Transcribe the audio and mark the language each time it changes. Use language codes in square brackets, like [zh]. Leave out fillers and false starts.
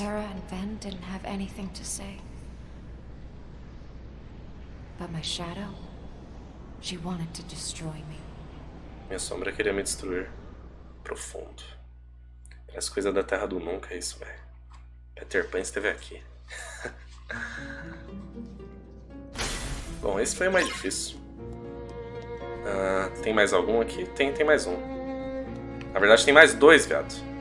[pt] Hera e Ven não tinham nada a dizer. [en] But my shadow, she wanted to destroy me. [pt] Minha sombra queria me destruir. Profundo. Parece coisa da Terra do Nunca, isso, velho. Peter Pan esteve aqui. Bom, esse foi o mais difícil. Tem mais algum aqui? Tem mais um. Na verdade, tem mais dois, viado.